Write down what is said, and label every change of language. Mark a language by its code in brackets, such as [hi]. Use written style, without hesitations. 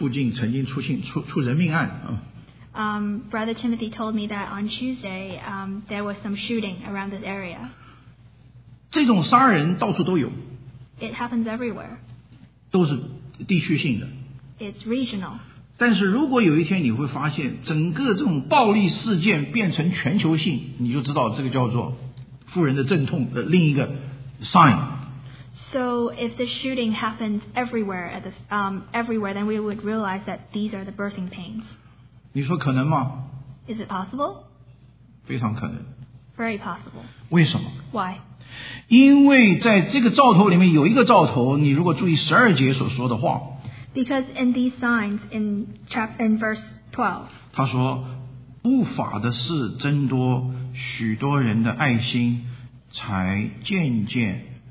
[zh] 刚刚早上我来这里之前，郭弟兄跟我说，礼拜二你们这里附近曾经出人命案。 [en] Brother Timothy told me that on Tuesday there was some shooting around this area. [zh] 这种杀人到处都有。 [en] It happens everywhere. [zh] 都是地区性的。 [en] it's regional. [zh] 但是如果有一天你会发现整个这种暴力事件变成全球性，你就知道这个叫做妇人的阵痛的另一个 sign。 [en] So if the shooting happens everywhere, at the, everywhere, then we would realize that these are the birthing pains. [zh] 你说可能吗？ [en] Is it possible? [zh] 非常可能。 [en] Very possible. [zh] 为什么？ [en] Why? [zh] 因为在这个兆头里面有一个兆头，你如果注意十二节所说的话。 [en] Because in these signs, in verse 12. [zh] 他说，不法的事增多，许多人的爱心才渐渐。